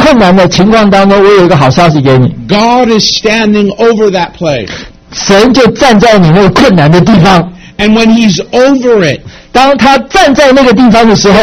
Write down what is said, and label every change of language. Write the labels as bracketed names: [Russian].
[Chinese] 如果你有在这个困难的情况当中，我有一个好消息给你。 [English] God is standing over that place. [Chinese] 神就站在你那个困难的地方。 [English] And when he's over it, [Chinese] 当他站在那个地方的时候,